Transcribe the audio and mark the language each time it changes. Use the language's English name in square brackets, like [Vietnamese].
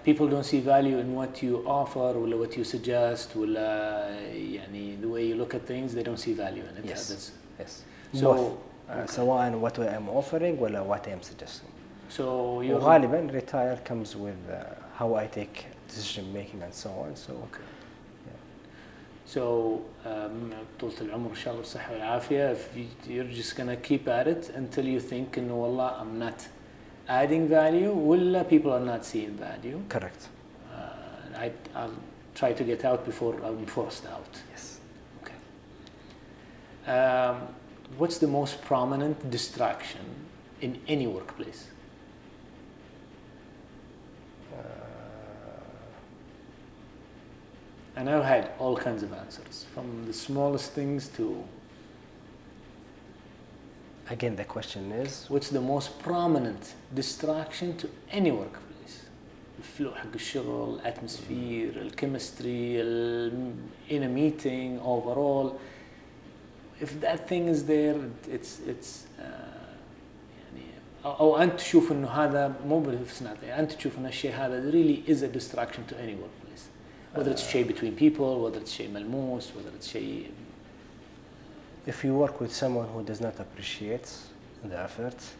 [English] People don't see value in what you offer or what you suggest or [Arabic] يعني [English] the way you look at things. They don't see value in it. Yes. Yes. So [Arabic] سواء [English] what I am offering [Arabic] ولا [English] what I am suggesting. So [Arabic] وغالبا [English] retire comes with how I take decision making and so on. So. Okay. [Arabic] So طولة العمر إن شاء الله بالصحة والعافية. [English] If you're just gonna keep at it until you think [Arabic] إنه والله [English] I'm not adding value, [Arabic] ولا [English] people are not seeing value. Correct. I'll try to get out before I'm forced out. Yes. Okay. What's the most prominent distraction in any workplace? And I've had all kinds of answers, from the smallest things to. Again, the question is, what's the most prominent distraction to any workplace? The flow [Arabic] حق الشغل, [English] atmosphere, the chemistry, in a meeting, overall. If that thing is there, it's [Arabic] يعني, أو أنت تشوف إنه هذا مو بالفسناتي, أنت تشوف إن الشيء هذا [English] really is a distraction to any workplace. Whether it's [Arabic] شيء [English] between people, whether it's [Arabic] شيء ملموس, [English] whether it's شيء. If you work with someone who does not appreciate the effort,